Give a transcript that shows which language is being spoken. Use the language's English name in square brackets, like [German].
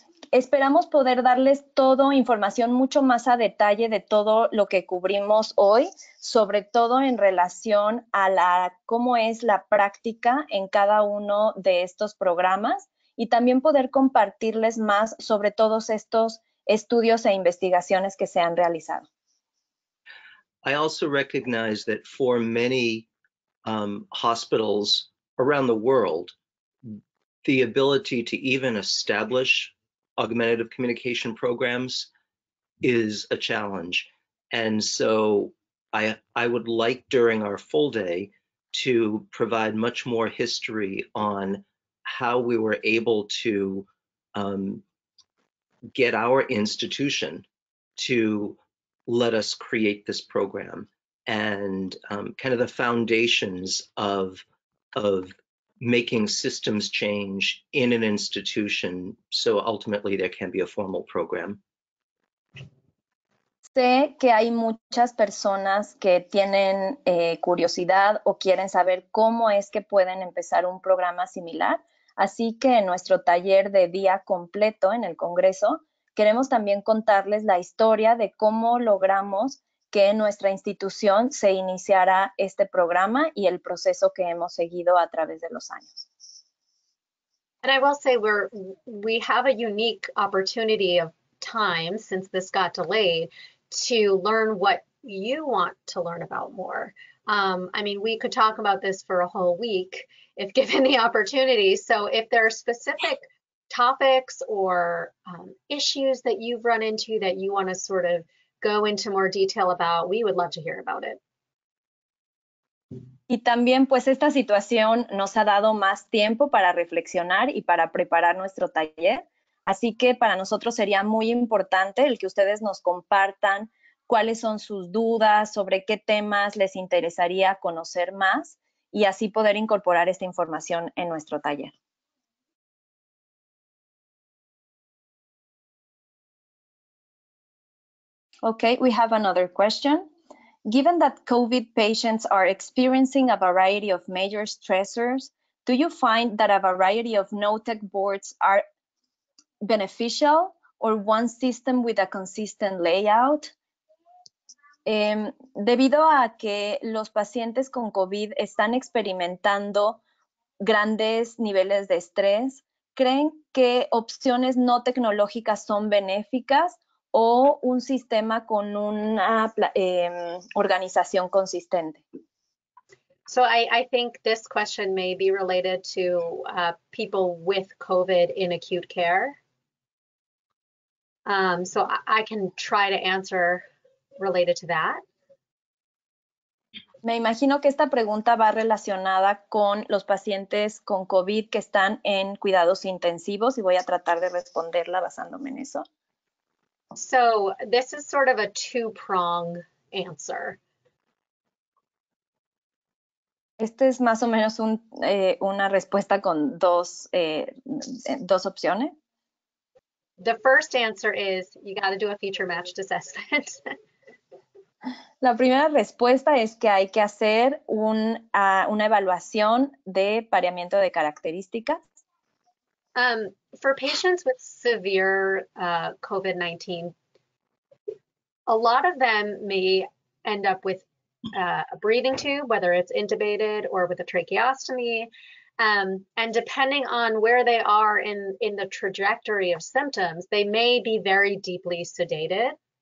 [Spanish] Esperamos poder darles todo información mucho más a detalle de todo lo que cubrimos hoy, sobre todo en relación a la cómo es la práctica en cada uno de estos programas y también poder compartirles más sobre todos estos estudios e investigaciones que se han realizado. [English] I also recognize that for many hospitals around the world, the ability to even establish augmentative communication programs is a challenge. And so I would like during our full day to provide much more history on how we were able to get our institution to let us create this program and kind of the foundations of making systems change in an institution so ultimately there can be a formal program. [Spanish] Sé que hay muchas personas que tienen curiosidad o quieren saber cómo es que pueden empezar un programa similar, así que en nuestro taller de día completo en el Congreso Queremos también contarles la historia de cómo logramos que nuestra institución se iniciara este programa y el proceso que hemos seguido a través de los años. [English] And I will say we have a unique opportunity of time since this got delayed to learn what you want to learn about more. I mean, we could talk about this for a whole week if given the opportunity. So if there are specific topics or issues that you've run into that you want to sort of go into more detail about, we would love to hear about it. [Spanish] Y también, pues, esta situación nos ha dado más tiempo para reflexionar y para preparar nuestro taller. Así que para nosotros sería muy importante el que ustedes nos compartan cuáles son sus dudas, sobre qué temas les interesaría conocer más y así poder incorporar esta información en nuestro taller. [English] Okay, we have another question. Given that COVID patients are experiencing a variety of major stressors, do you find that a variety of no-tech boards are beneficial or one system with a consistent layout? [Spanish] Debido a que los pacientes con COVID están experimentando grandes niveles de estrés, ¿creen que opciones no tecnológicas son benéficas o un sistema con una organización consistente? [English] So I think this question may be related to people with COVID in acute care. So I can try to answer related to that. [Spanish] Me imagino que esta pregunta va relacionada con los pacientes con COVID que están en cuidados intensivos y voy a tratar de responderla basándome en eso. [English] So this is sort of a two-prong answer. [Spanish] Este es más o menos un, una respuesta con dos, dos opciones. [English] The first answer is you got to do a feature matched assessment. [Spanish] La primera respuesta es que hay que hacer un, una evaluación de pareamiento de características. [English] For patients with severe COVID-19, a lot of them may end up with a breathing tube, whether it's intubated or with a tracheostomy. And depending on where they are in the trajectory of symptoms, they may be very deeply sedated.